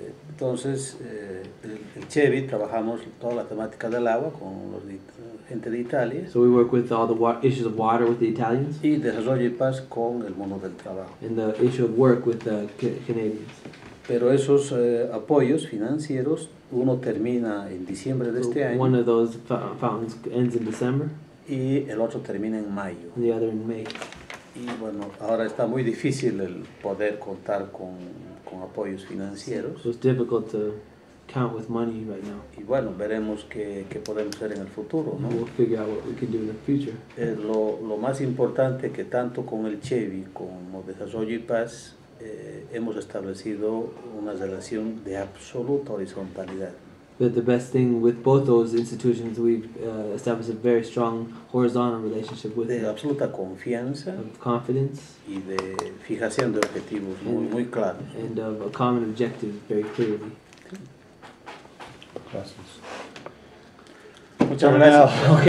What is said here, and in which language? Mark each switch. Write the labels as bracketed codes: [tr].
[es] Entonces, el CHEVI, trabajamos toda la temática del agua con gente de Italia. [en] So we work with all the issues of water with the Italians. [es] Y Desarrollo y Paz con el mundo del trabajo. [en] And the issue of work with the Canadians. [es] Pero esos apoyos financieros, uno termina en diciembre de este año. [en] One of those funds ends in December. [es] Y el otro termina en mayo. [en] The other in May. [es] Y bueno, ahora está muy difícil el poder contar con apoyos financieros. [en] So it's difficult to count with money right now. [es] Y bueno, veremos qué podemos hacer en el futuro, ¿no? [en] We'll figure out what we can do in the future. [es] Lo más importante que tanto con el CHEVI como Desarrollo y Paz hemos establecido una relación de absoluta horizontalidad. [en] But the best thing with both those institutions, we've established a very strong horizontal relationship with [es] de absoluta confianza, [en] of confidence, [es] y de fijación de objetivos muy claros, [en] and of a common objective very clearly. [es] Gracias. Muchas gracias. Okay.